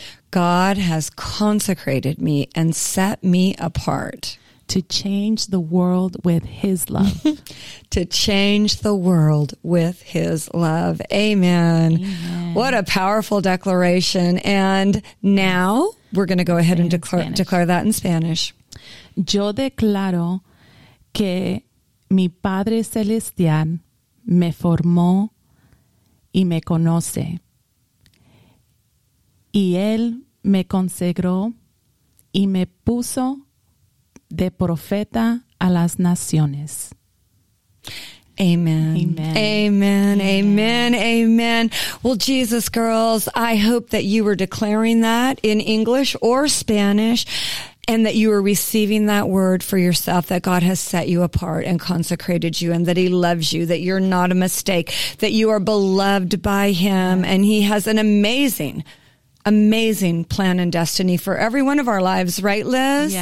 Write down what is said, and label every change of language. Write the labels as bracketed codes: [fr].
[en] God has consecrated me and set me apart. To change the world with his love. To change the world with his love. Amen. What a powerful declaration. And now we're going to go ahead and declare that in Spanish. [es] Yo declaro que mi Padre Celestial me formó y me conoce. Y él me consagró y me puso de profeta a las naciones. Amen. Amen. Amen. Amen. Amen. [en] Well, Jesus girls, I hope that you were declaring that in English or Spanish, and that you are receiving that word for yourself, that God has set you apart and consecrated you, and that he loves you, that you're not a mistake, that you are beloved by him, and he has an amazing plan and destiny for every one of our lives, right, Liz?